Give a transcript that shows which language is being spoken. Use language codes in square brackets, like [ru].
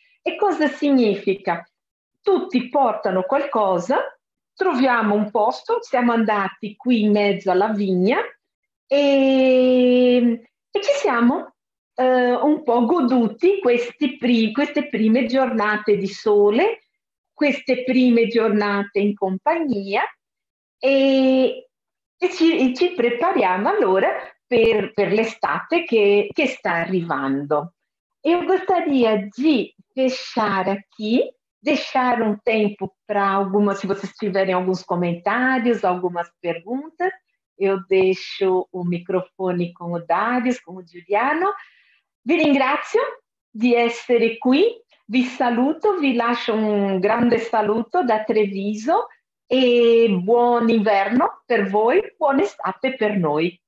[it] E cosa significa? Tutti portano qualcosa, troviamo un posto, siamo andati qui in mezzo alla vigna e ci siamo un po' goduti queste prime giornate di sole, queste prime giornate in compagnia e ci prepariamo allora per l'estate che sta arrivando. [pt] Io gostaria di fechare qui, deixare un tempo para alguma, se vocês tiverem alguns comentários, algumas perguntas, eu deixo o microfone com o Darius, com o Giuliano. [it] Vi ringrazio di essere qui, vi saluto, vi lascio un grande saluto da Treviso e buon inverno per voi, buona estate per noi.